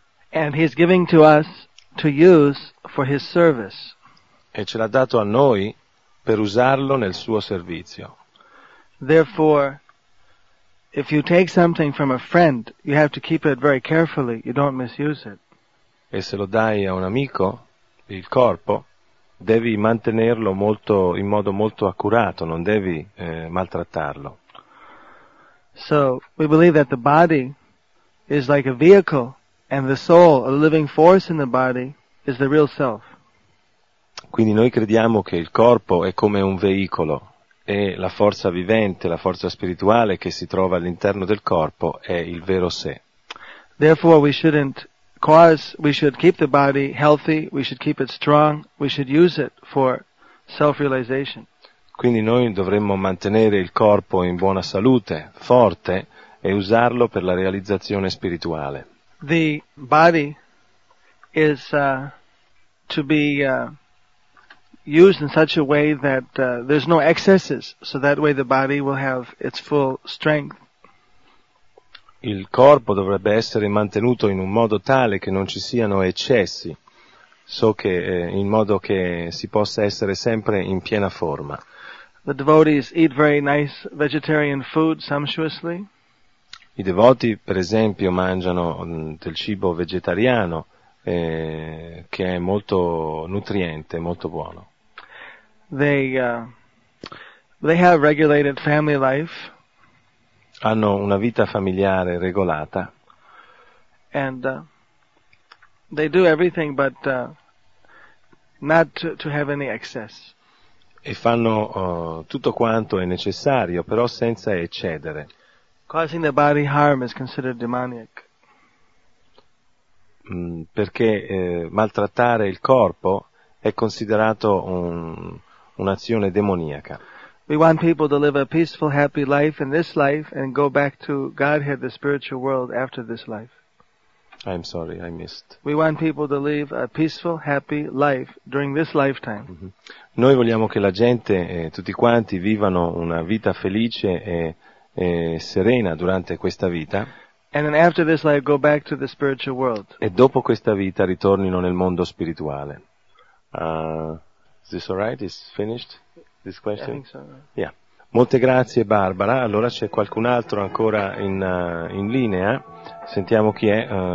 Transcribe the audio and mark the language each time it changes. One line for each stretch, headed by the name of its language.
English: And he's giving to us to use for his service.
Italian: E ce l'ha dato a noi per usarlo nel suo servizio.
English: Therefore, if you take something from a friend, you have to keep it very carefully, you don't misuse it.
Italian: E se lo dai a un amico, il corpo, devi mantenerlo molto, in modo molto accurato, non devi maltrattarlo.
English: So, we believe that the body is like a vehicle, and the soul, a living force in the body, is the real self.
Italian: Quindi noi crediamo che il corpo è come un veicolo e la forza vivente, la forza spirituale che si trova all'interno del corpo è il vero sé.
English: Therefore we shouldn't cause, we should keep the body healthy, we should keep it strong, we should use it for self-realization.
Italian: Quindi noi dovremmo mantenere il corpo in buona salute, forte, e usarlo per la realizzazione spirituale.
English: The body is to be used in such a way that there's no excesses, so that way the body will have its full strength.
Italian: Il corpo dovrebbe essere mantenuto in un modo tale che non ci siano eccessi, so che in modo che si possa essere sempre in piena forma.
English: The devotees eat very nice vegetarian food sumptuously.
Italian: I devoti, per esempio, mangiano del cibo vegetariano che è molto nutriente, molto buono.
English: They have regulated family life.
Italian: Hanno una vita familiare regolata.
English: And they do everything but not to have any excess.
Italian: E fanno tutto quanto è necessario, però senza eccedere.
English: Causing the body harm is considered demonic.
Italian: Perché maltrattare il corpo è considerato un'azione demoniaca.
English: We want people to live a peaceful, happy life in this life and go back to Godhead, the spiritual world, after this life. I'm sorry, I missed. We want people to live a peaceful, happy life during this lifetime. Mm-hmm.
Italian: Noi vogliamo che la gente, tutti quanti, vivano una vita felice e serena durante questa vita.
English: And then after this life go back to the spiritual world.
Italian: E dopo questa vita ritornino nel mondo spirituale.
English: Is this all right? Is finished? This question? I think so.
Italian: Yeah. Molte grazie Barbara. Allora c'è qualcun altro ancora in linea. Sentiamo chi è.